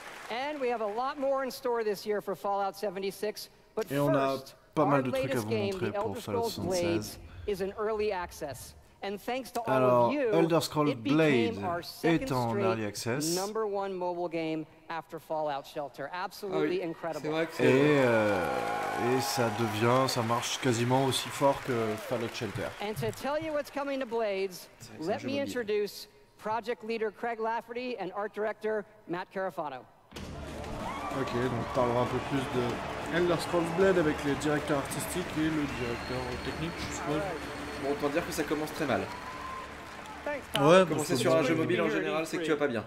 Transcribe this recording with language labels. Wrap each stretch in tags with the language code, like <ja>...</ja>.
<en>And we have a lot more in store this year for Fallout 76. But</en> <fr>et on a pas mal de trucs à vous montrer pour Fallout 76.</fr> <en>Is an early access. And thanks to all of you, Elder Scrolls Blade</en> <fr>est en early access.</fr> <en>Number one mobile game after Fallout Shelter. Absolutely incredible.</en> <fr>Et ça marche quasiment aussi fort que Fallout Shelter.</fr> <en>And to tell you what's coming to Blades, let me introduce project leader Craig Lafferty and art director Matt Carafano.</en> <fr>OK, donc on parlera un peu plus de Elder Scrolls Blade avec le directeur artistique et le directeur technique, je suppose. Autant dire que ça commence très mal. Ouais, bon, c'est sur un jeu mobile en général, c'est que tu vas pas bien.</fr>